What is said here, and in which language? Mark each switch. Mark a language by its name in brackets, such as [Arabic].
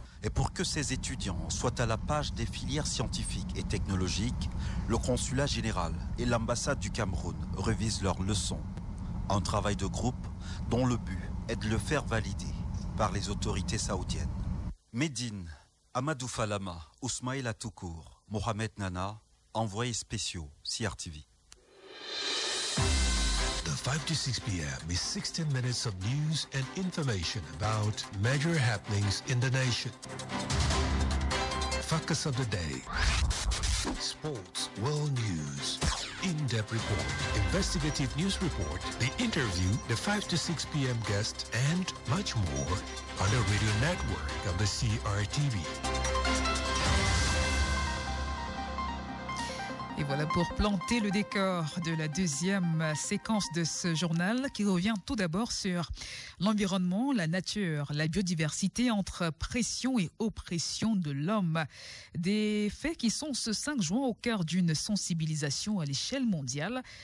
[French] Et pour que ces étudiants soient à la page des filières scientifiques et technologiques, le consulat général et l'ambassade du Cameroun revisent leurs leçons. Un travail de groupe dont le but est de le faire valider par les autorités saoudiennes. Medine, Amadou Falama, Ousmaïla Toukour, Mohamed Nana, envoyés spéciaux, CRTV. [English] The 5 to 6 p.m. is 16 minutes of news and information about major happenings in the nation. Focus of the day. Sports, world news, in-depth report, investigative news report, the interview, the 5 to 6 p.m. guest, and much more on the radio network of the CRTV. [French] Et voilà pour planter le décor de la deuxième séquence de ce journal qui revient tout d'abord sur l'environnement, la nature, la biodiversité entre pression et oppression de l'homme. Des faits qui sont ce 5 juin au cœur d'une sensibilisation à l'échelle mondiale.